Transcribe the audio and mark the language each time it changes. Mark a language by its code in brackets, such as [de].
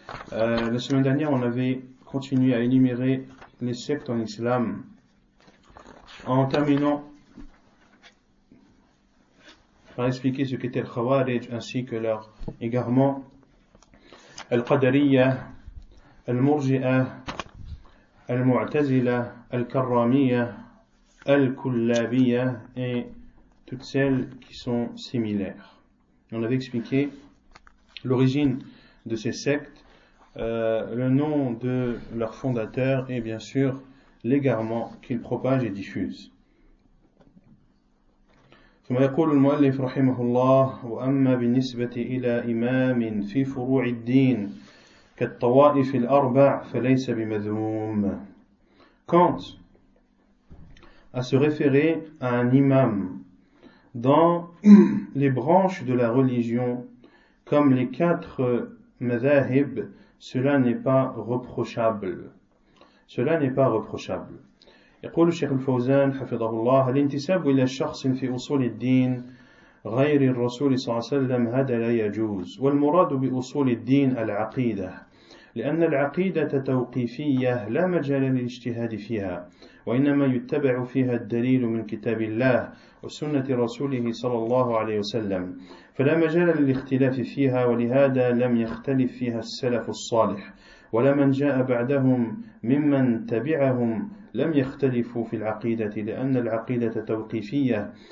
[fr] La semaine dernière on avait continué à énumérer les sectes en islam en terminant par expliquer ce qu'était le Khawarij ainsi que leur égarement, Al-Qadariya, Al-Murji'a, Al-Mu'tazila, Al-Karramiya, Al-Kullabiya et toutes celles qui sont similaires. On avait expliqué l'origine de ces sectes, le nom de leur fondateur et bien sûr l'égarement qu'ils propagent et diffusent. [ar] ثم يقول المؤلف رحمه الله وأما بالنسبة إلى إمام في فروع الدين كالطوائف الأربع فليس بمذموم. [fr] Quant à se référer à un imam dans les branches de la religion comme les quatre madhahib, cela n'est pas reprochable. Cela n'est pas reprochable. [ar] يقول الشيخ الفوزان حفظه الله الانتساب إلى شخص في أصول الدين غير الرسول صلى الله عليه وسلم هذا لا يجوز والمراد بأصول الدين العقيدة لأن العقيدة توقيفية لا مجال للاجتهاد فيها وإنما يتبع فيها الدليل من كتاب الله وسنة رسوله صلى الله عليه وسلم فلا مجال للاختلاف فيها ولهذا لم يختلف فيها السلف الصالح ولا من جاء بعدهم ممن تبعهم لم يختلفوا في العقيدة لأن العقيدة توقيفية